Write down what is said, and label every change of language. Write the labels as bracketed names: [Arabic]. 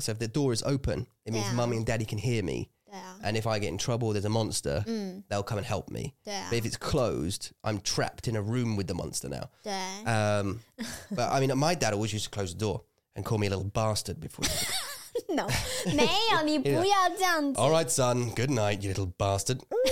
[English] So if the door is open, it means mummy and daddy can hear me. And if I get in trouble, there's a monster, they'll come and help me. But if it's closed, I'm trapped in a room with the monster now. But I mean, my dad always used to close the door and call me a little bastard before. [Chinese] No,没有,你不要这样子。 [English] All right, son, good night, you little bastard.